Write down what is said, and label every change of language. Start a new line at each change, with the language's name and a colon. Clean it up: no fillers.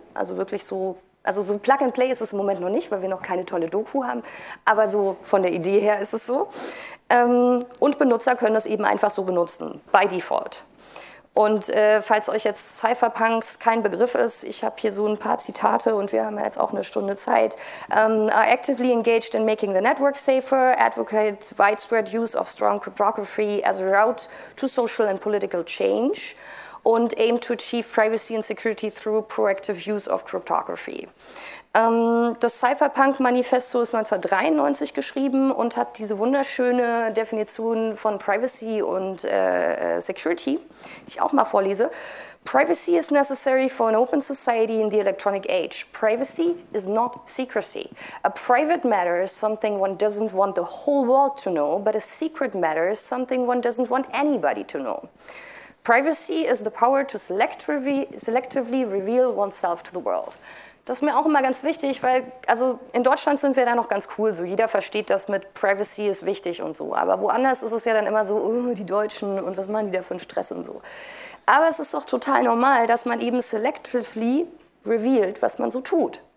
German: Also wirklich so, also so Plug and Play ist es im Moment noch nicht, weil wir noch keine tolle Doku haben. Aber so von der Idee her ist es so. Und Benutzer können das eben einfach so benutzen,
English: by default.
German: Und falls euch jetzt Cypherpunks kein Begriff ist, ich habe hier so ein paar Zitate und wir haben ja jetzt auch eine Stunde Zeit.
English: Are actively engaged in making the network safer, advocate widespread use of strong cryptography as a route to social and political change and aim to achieve privacy and security through proactive use of cryptography.
German: Das Cypherpunk-Manifesto ist 1993 geschrieben und hat diese wunderschöne Definition von Privacy und Security, die ich auch mal vorlese.
English: Privacy is necessary for an open society in the electronic age. Privacy is not secrecy. A private matter is something one doesn't want the whole world to know, but a secret matter is something one doesn't want anybody to know. Privacy is the power to selectively reveal oneself to the world.
German: Das ist mir auch immer ganz wichtig, weil also in Deutschland sind wir da noch ganz cool. So jeder versteht das mit Privacy ist wichtig und so. Aber woanders ist es ja dann immer so, oh, die Deutschen und was machen die da für einen Stress und so. Aber es ist doch total normal, dass man eben
English: selectively revealed,
German: was man so tut.